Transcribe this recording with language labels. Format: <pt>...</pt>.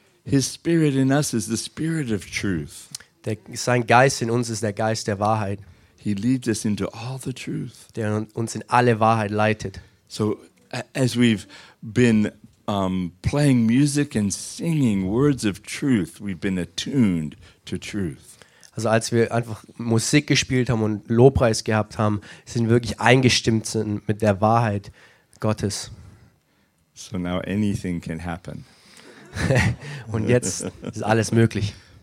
<en>His spirit in us is the spirit of truth.</en> <de>Sein Geist in uns ist der Geist der Wahrheit.</de> <en>He leads us into all the truth.</en> <de>Der uns in alle Wahrheit leitet.</de> <en>So as we've been playing music and singing words of truth, we've been attuned to truth.</en> <de>Also als wir einfach Musik gespielt haben und Lobpreis gehabt haben, sind wir wirklich eingestimmt mit der Wahrheit Gottes.</de> <en>So now anything can happen.</en> <de>Und jetzt ist alles möglich.</de>